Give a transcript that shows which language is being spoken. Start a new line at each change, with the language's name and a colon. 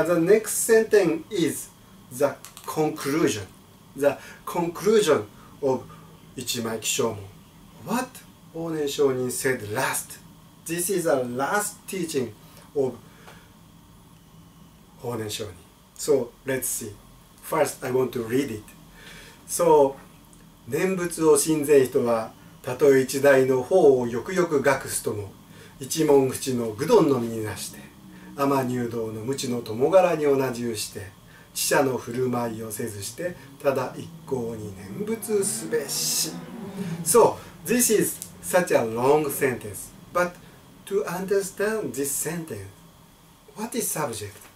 English: And the next sentence is the conclusion. The conclusion of Ichimai Kishomon. What Onen Shonin said last. This is the last teaching of Onen Shonin. So let's see. First, I want to read it.
Japanese: So, 念仏を信ぜん人は、たとえ一代の法をよくよく学すとも、一文淵の愚鈍の身になして、天入道の無知の友柄に同じうして、知者の振る舞いをせずして、ただ一向に念仏すべし。
English: So, this is such a long sentence. But to understand this sentence, what is subject?